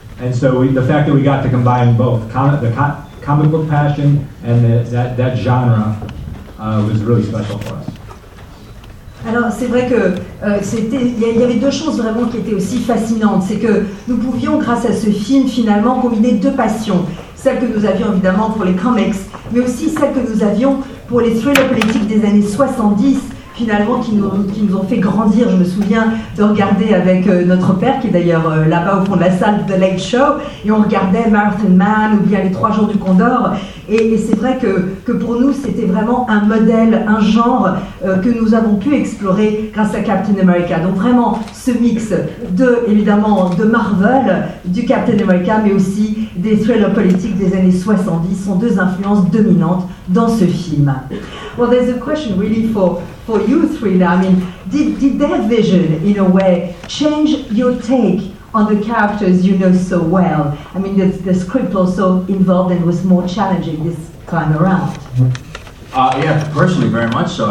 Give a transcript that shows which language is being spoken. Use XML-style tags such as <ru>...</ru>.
<en>And so the fact that we got to combine both comic book passion and that genre was really special for us.</en> <fr>Alors, c'est vrai que il y avait deux choses vraiment qui étaient aussi fascinantes. C'est que nous pouvions, grâce à ce film, finalement, combiner deux passions. Celle que nous avions, évidemment, pour les comics, mais aussi celle que nous avions pour les thrillers politiques des années 70, finalement, qui nous ont fait grandir. Je me souviens de regarder avec notre père, qui est d'ailleurs là-bas au fond de la salle, The Late Show, et on regardait Marathon Man ou bien Les Trois Jours du Condor. Et c'est vrai que pour nous, c'était vraiment un modèle, un genre que nous avons pu explorer grâce à Captain America. Donc vraiment, ce mix de Marvel, du Captain America, mais aussi des thrillers politiques des années 70 sont deux influences dominantes dans ce film.</fr> <en>Well, there's a question really for you three now. I mean, did their vision, in a way, change your take on the characters you know so well? I mean, the script also involved and was more challenging this time around. Yeah, personally, very much so.</en>